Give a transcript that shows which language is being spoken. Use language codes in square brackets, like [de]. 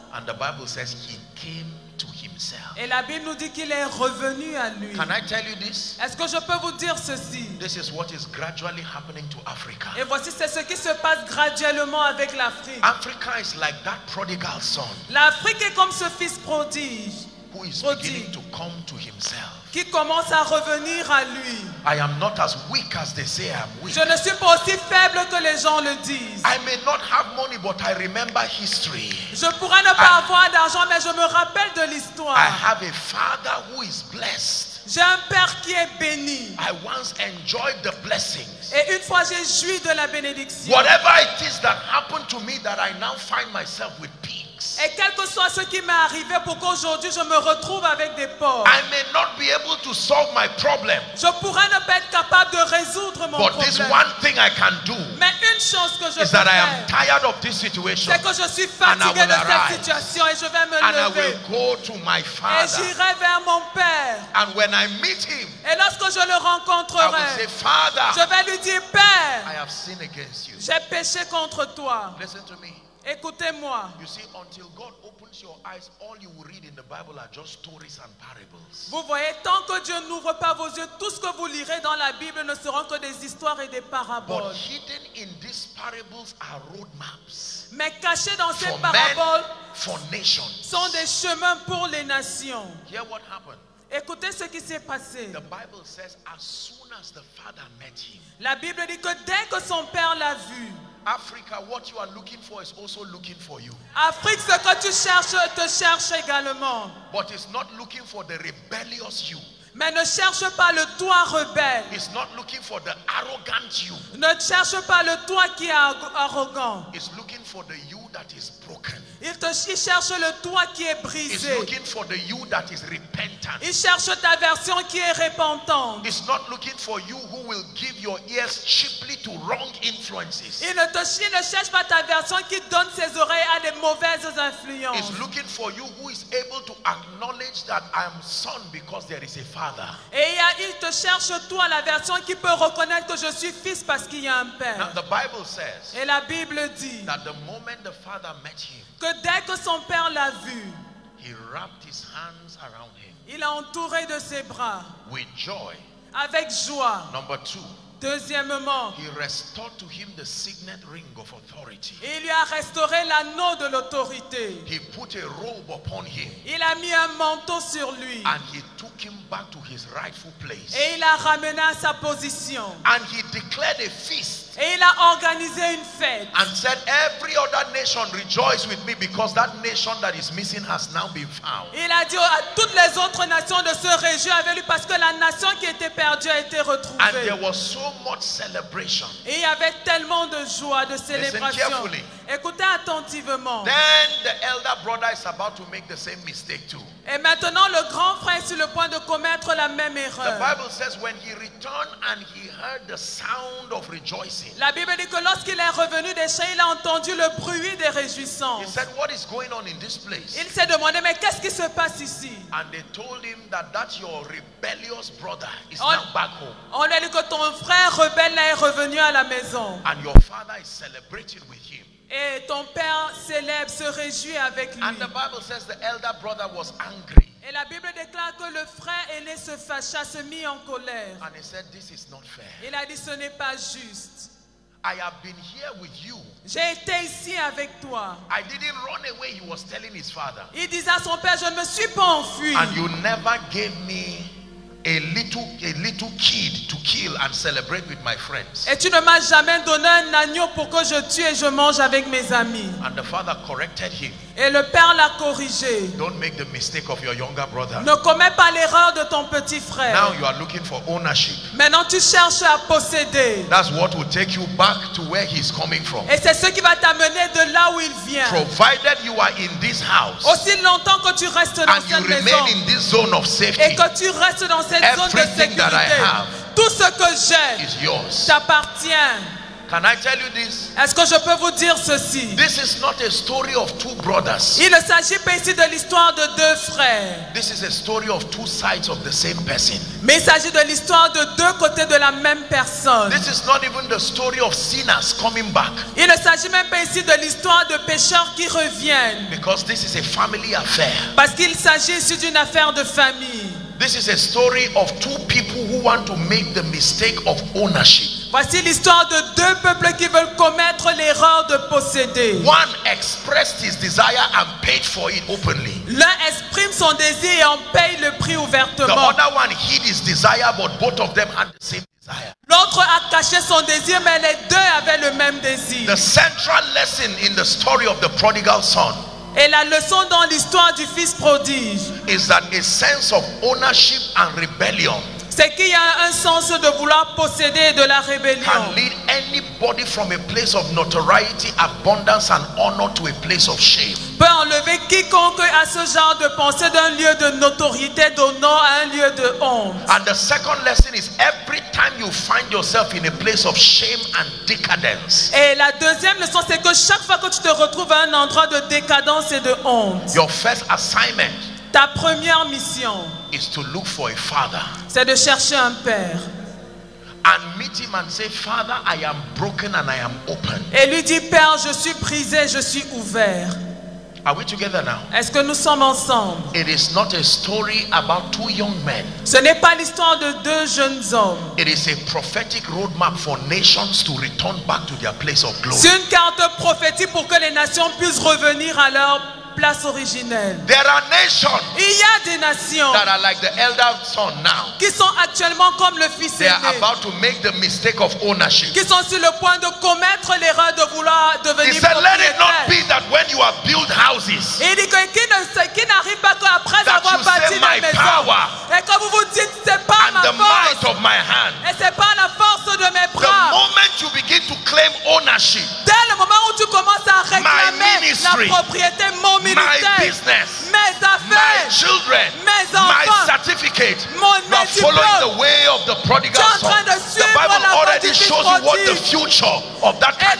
[en] And the Bible says he came to himself. [fr] Et la Bible nous dit qu'il est revenu à lui. [en] Can I tell you this? [fr] Est-ce que je peux vous dire ceci? [en] This is what is gradually happening to Africa. [fr] Et voici c'est ce qui se passe graduellement avec l'Afrique. [en] Africa is like that prodigal son. [fr] L'Afrique est comme ce fils prodige. [en] Who is beginning to come to himself. [fr] Qui commence à revenir à lui. [en] I am not as weak as they say I am weak. [fr] Je ne suis pas aussi faible que les gens le disent. [en] I may not have money, but I remember history. [fr] Je pourrais ne pas avoir d'argent, mais je me rappelle de l'histoire. [en] I have a father who is blessed. [fr] J'ai un père qui est béni. [en] I once enjoyed the blessings. [fr] Et une fois j'ai joui de la bénédiction. [en] Whatever it is that happened to me that I now find myself with pigs. [fr] Et quel que soit ce qui m'est arrivé, pour qu'aujourd'hui je me retrouve avec des porcs. [en] I may not be able to solve my problem. [fr] Je pourrais ne pas être capable de résoudre mon [en] but [fr] problème. [en] This one thing I can do. [fr] Mais une chose que je [en] is that I am tired of this situation. [fr] C'est que je suis fatigué de cette situation et je vais me [en] and [fr] lever. [en] I will go to my father. [fr] Et j'irai vers mon père. [en] And when I meet him, [fr] et lorsque je le rencontrerai, [en] I will say, father, [fr] je vais lui dire, père, [en] I have sinned against you. [fr] J'ai péché contre toi. [en] Listen to me. [fr] Écoutez-moi. [en] You see, until God opens your eyes, all you will read in the Bible are just stories and parables. [fr] Vous voyez, tant que Dieu n'ouvre pas vos yeux, tout ce que vous lirez dans la Bible ne seront que des histoires et des paraboles. [en] But hidden in these parables are roadmaps. [fr] Mais cachés dans ces paraboles, [en] men, for nations, [fr] sont des chemins pour les nations. [en] Hear what happened. [fr] Écoutez ce qui s'est passé. [en] The Bible says, as soon as the father met him. [fr] La Bible dit que dès que son père l'a vu. [en] Africa, what you are looking for is also looking for you. [fr] Afrique, ce que tu cherches te cherche également. [en] But it's not looking for the rebellious you. [fr] Mais ne cherche pas le toi rebelle. [en] It's not looking for the arrogant you. [fr] Ne cherche pas le toi qui est arrogant. [en] It's looking for the you that is broken. [fr] Il cherche le toi qui est brisé. [en] It's looking for the you that is repentant. [fr] Il cherche ta version qui est repentante. [en] It's not looking for you who will give your ears cheaply to wrong influences. [fr] Il ne cherche pas ta version qui donne ses oreilles à des mauvaises influences. [en] It's looking for you who is able to acknowledge that I am son because there is a father. [fr] Et il te cherche toi la version qui peut reconnaître que je suis fils parce qu'il y a un père. [en] Now the Bible says. [fr] Et la Bible dit. [en] That the moment the father met him. [fr] Que dès que son père l'a vu, [en] he wrapped his hands around him. [fr] Il a entouré de ses bras. [en] With joy. [fr] Avec joie. [en] Number two. [fr] Deuxièmement, [en] he restored to him the signet ring of authority. [fr] Il lui a restauré l'anneau de l'autorité. [en] He put a robe upon him. [fr] Il a mis un manteau sur lui. [en] And he took him back to his rightful place. [fr] Et il a ramené à sa position. [en] And he declared a feast. [fr] Et il a organisé une fête. [en] And said, every other nation rejoice with me because that nation that is missing has now been found. [fr] Il a dit à toutes les autres nations de se réjouir avec lui parce que la nation qui était perdue a été retrouvée. [en] And there was so much celebration. [fr] Et il y avait tellement de joie, de célébration. [en] Listen carefully. [fr] Écoutez attentivement. [en] Then the elder brother is about to make the same mistake too. [fr] Et maintenant le grand frère est sur le point de commettre la même erreur. [en] The Bible says when he returned and he heard the sound of rejoicing. [fr] La Bible dit que lorsqu'il est revenu des champs, il a entendu le bruit des réjouissances. [en] He said, what is going on in this place? [fr] Il s'est demandé mais qu'est-ce qui se passe ici? [en] And they told him that your rebellious brother is now back home. [fr] On lui a dit que ton frère rebelle est revenu à la maison. [en] And your father is celebrating with him. [fr] Et ton père célèbre, se réjouit avec lui. [en] And the Bible says the elder brother was angry. [fr] Et la Bible déclare que le frère aîné se fâcha, se mit en colère. [en] And he said, this is not fair. [fr] Il a dit, ce n'est pas juste. [en] I have been here with you. [fr] J'ai été ici avec toi. [en] I didn't run away, he was telling his father. [fr] Il disait à son père, je ne me suis pas enfui. [en] And you never gave me a little kid to kill and celebrate with my friends. [fr] Et tu ne m'as jamais donné un agneau pour que je tue et je mange avec mes amis. [en] And the father corrected him. [fr] Et le père l'a corrigé. [en] Don't make the mistake of your younger brother. [fr] Ne commets pas l'erreur de ton petit frère. [en] Now you are looking for ownership. [fr] Maintenant tu cherches à posséder. [en] That's what will take you back to where he's coming from. [fr] Et c'est ce qui va t'amener de là où il vient. [en] Provided you are in this house. [fr] Aussi longtemps que tu restes dans cette maison. [en] And you remain in this zone of safety. [fr] Et que tu restes dans cette [en] everything [fr] zone de sécurité. [en] That I have [fr] tout ce que j'ai [en] is yours. [fr] T'appartient. [en] Can I tell you this? [fr] Est-ce que je peux vous dire ceci? [en] This is not a story of two brothers. [fr] Il ne s'agit pas ici de l'histoire de deux frères. [en] This is a story of two sides of the same person. [fr] Mais il s'agit de l'histoire de deux côtés de la même personne. [en] This is not even the story of sinners coming back. [fr] Il ne s'agit même pas ici de l'histoire de pécheurs qui reviennent. [en] Because this is a family affair. [fr] Parce qu'il s'agit ici d'une affaire de famille. [en] This is a story of two people who want to make the mistake of ownership. [fr] Voici l'histoire de deux peuples qui veulent commettre l'erreur de posséder. [en] One expressed his desire and paid for it openly. [fr] L'un exprime son désir et en paye le prix ouvertement. [en] The other one hid his desire, but both of them had the same desire. [fr] L'autre a caché son désir, mais les deux avaient le même désir. [en] The central lesson in the story of the prodigal son. [fr] Et la leçon dans l'histoire du fils prodige [en] is that a sense of ownership and rebellion. [fr] C'est qu'il y a un sens de vouloir posséder de la rébellion. Peut enlever quiconque à ce genre de pensée d'un lieu de notoriété, d'honneur à un lieu de honte. [en] And the second lesson is every time you find yourself in a place of shame and decadence. [fr] Et la deuxième leçon c'est que chaque fois que tu te retrouves à un endroit de décadence et de honte. [en] Your first assignment. [fr] Ta première mission. [en] Is to look for a father. [fr] C'est de chercher un père. [en] And meet him and say, Father, I am broken and I am open. [fr] Et lui dit, Père, je suis brisé, je suis ouvert. [en] Are we together now? [fr] Est-ce que nous sommes ensemble? [en] It is not a story about two young men. [fr] Ce n'est pas l'histoire de deux jeunes hommes. [en] It is a prophetic roadmap for nations to return back to their place of glory. [fr] C'est une carte prophétique pour que les nations puissent revenir à leur place originelle. [en] There are nations. [fr] Il y a des nations [en] that are like the elder son now. [fr] Qui sont actuellement comme le fils aîné. [en] They are about to make the mistake of ownership. [fr] Qui sont sur le point de commettre l'erreur de vouloir devenir propriétaire. [en] He said, "Let it not be that when you have built houses." [fr] Il dit qui n'arrive pas après avoir bâti la maison. Et que vous vous dites, c'est pas ma force. [en] And the might of my hand. [fr] Et c'est pas la force de mes bras. [en] The moment you begin to claim ownership. [fr] Dès le moment où tu commences à réclamer la propriété, mon [en] my business, [fr] mes affaires, [en] my children, [fr] mes enfants, [en] my certificate, [fr] mon [en] you are following the way of the prodigal son. [fr] Train de [en] the Bible [fr] la [en] already shows you what the future of that kind